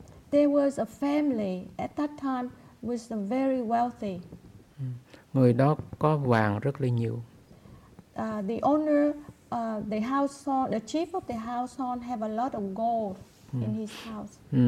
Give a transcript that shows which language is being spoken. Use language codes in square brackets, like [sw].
[en] There was a family at that time was very wealthy. [vi] Người đó có vàng rất là nhiều. [en] The owner, the household, the chief of the household have a lot of gold in his house.